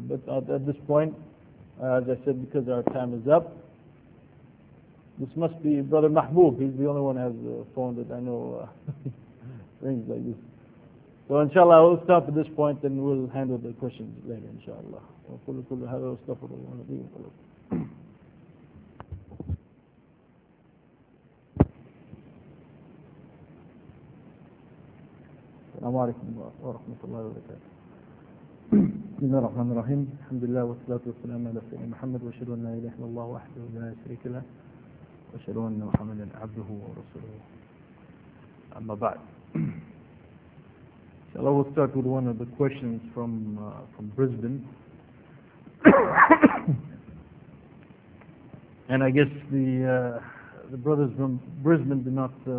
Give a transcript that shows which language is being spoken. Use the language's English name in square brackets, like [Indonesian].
[English] But at this point, as I said, because our time is up, this must be Brother Mahbub. He's the only one who has a phone that I know rings like this. So inshallah, we'll stop at this point and we'll handle the questions later, inshallah. [Arabic] وقل كل هذا واستغفر الله العظيم ولكم. السلام عليكم ورحمة الله وبركاته. بسم الله الرحمن الرحيم. الحمد لله والصلاة والسلام على سيدنا محمد واشهد ان لا اله الا الله وحده لا شريك له واشهد ان محمدا عبده ورسوله. اما بعد. [English] So I will start with one of the questions from Brisbane. And I guess the brothers from Brisbane did not